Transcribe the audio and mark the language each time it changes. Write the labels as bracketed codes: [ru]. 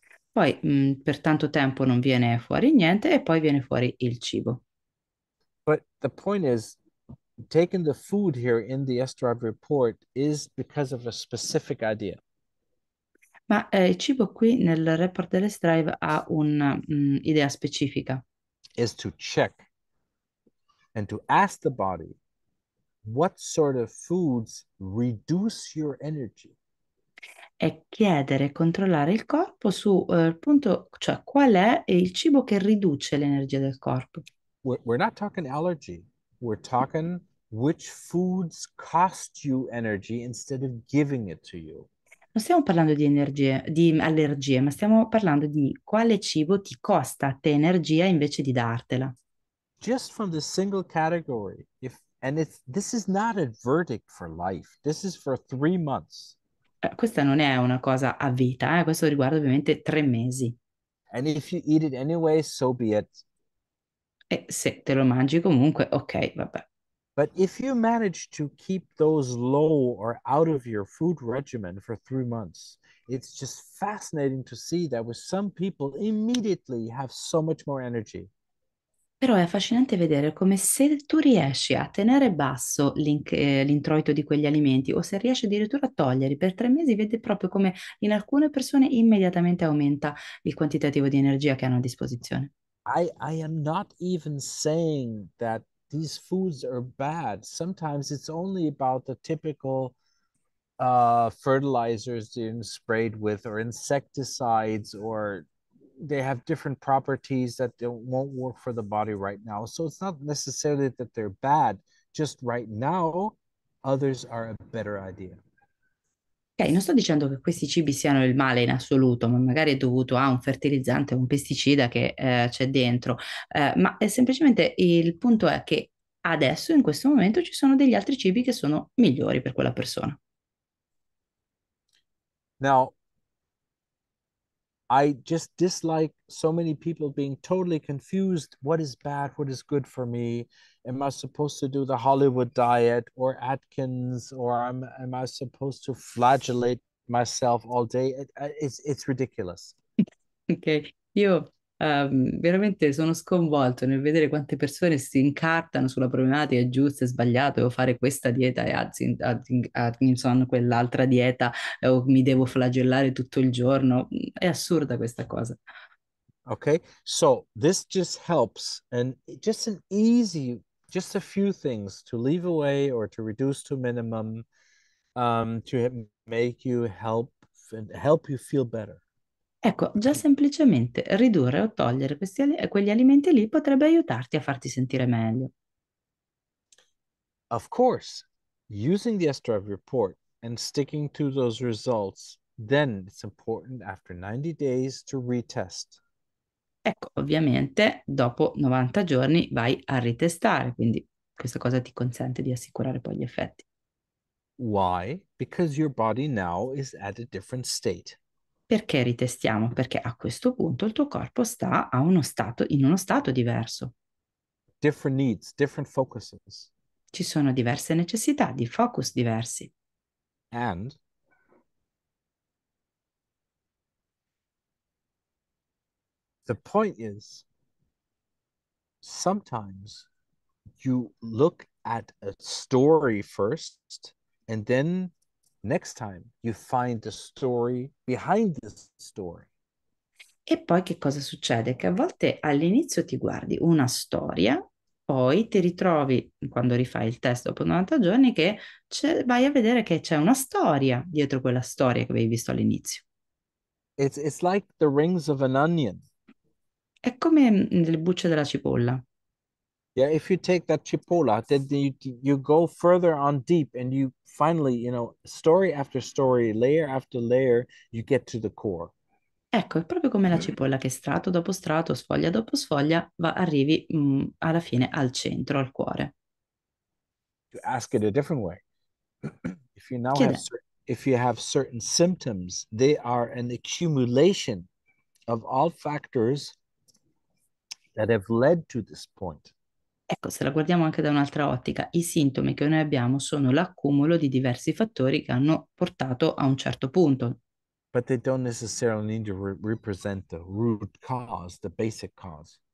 [it] Poi per tanto tempo non viene fuori niente e poi viene fuori il cibo. [en] But the point is, taking the food here in the Sdrive report is because of a specific idea. [it] Ma il cibo qui nel report dell'Sdrive ha un'idea specifica. [en] Is to check and to ask the body, what sort of foods reduce your energy? [it] È chiedere e controllare il corpo su appunto, cioè qual è il cibo che riduce l'energia del corpo. [en] We're not talking allergy. We're talking which foods cost you energy instead of giving it to you. [it] Non stiamo parlando di energie, di allergie, ma stiamo parlando di quale cibo ti costa a te energia invece di dartela. [en] Just from the single category, this is not a verdict for life. This is for 3 months. [it] Questa non è una cosa a vita, eh? Questo riguarda ovviamente 3 mesi. [en] And if you eat it anyway, so be it. [it] E se te lo mangi comunque, ok, vabbè. [en] But if you manage to keep those low or out of your food regimen for 3 months, it's just fascinating to see that with some people immediately have so much more energy. [it] Però è affascinante vedere come se tu riesci a tenere basso l'introito di quegli alimenti o se riesci addirittura a toglierli per 3 mesi, vedi proprio come in alcune persone immediatamente aumenta il quantitativo di energia che hanno a disposizione. [en] I am not even saying that these foods are bad. Sometimes it's only about the typical fertilizers being sprayed with or insecticides, or they have different properties that won't work for the body right now. So it's not necessarily that they're bad. Just right now, others are a better idea. [it] Okay, non sto dicendo che questi cibi siano il male in assoluto, ma magari è dovuto a un fertilizzante o un pesticida che c'è dentro, ma è semplicemente il punto è che adesso, in questo momento, ci sono degli altri cibi che sono migliori per quella persona. [en] Now, I just dislike so many people being totally confused. What is bad? What is good for me? Am I supposed to do the Hollywood diet or Atkins? Or am I supposed to flagellate myself all day? It's ridiculous. [it] Ok, io veramente sono sconvolto nel vedere quante persone si incartano sulla problematica giusta e sbagliata, devo fare questa dieta e Atkinson quell'altra dieta, o mi devo flagellare tutto il giorno. È assurda questa cosa. [en] Okay, so this just helps, and just an easy, just a few things to leave away or to reduce to minimum, to make you help you feel better. [it] Ecco, già semplicemente ridurre o togliere quegli alimenti lì potrebbe aiutarti a farti sentire meglio. [en] Of course, using the Sdrive report and sticking to those results, then it's important after 90 days to retest. [it] Ecco, ovviamente dopo 90 giorni vai a ritestare, quindi questa cosa ti consente di assicurare poi gli effetti. [en] Why? Because your body now is at a different state. [it] Perché ritestiamo? Perché a questo punto il tuo corpo sta a uno stato, in uno stato diverso. [en] Different needs, different focuses. [it] Ci sono diverse necessità, di focus diversi. [en] And the point is, sometimes you look at a story first, and then next time you find the story behind the story. [it] E poi che cosa succede? Che a volte all'inizio ti guardi una storia, poi ti ritrovi, quando rifai il test dopo 90 giorni, che vai a vedere che c'è una storia dietro quella storia che avevi visto all'inizio. [en] It's like the rings of an onion. [it] È come le bucce della cipolla. [en] Yeah, if you take that cipolla, then you go further on deep and you finally, you know, story after story, layer after layer, you get to the core. [it] Ecco, è proprio come la cipolla che strato dopo strato, sfoglia dopo sfoglia, arrivi alla fine al centro, al cuore. [en] You ask it a different way. If you now [it] Chiede. [en] If you have certain symptoms, they are an accumulation of all factors that have led to this point. [it] Ecco, se la guardiamo anche da un'altra ottica, i sintomi che noi abbiamo sono l'accumulo di diversi fattori che hanno portato a un certo punto. [en] But they don't necessarily need to represent the root cause, the basic cause.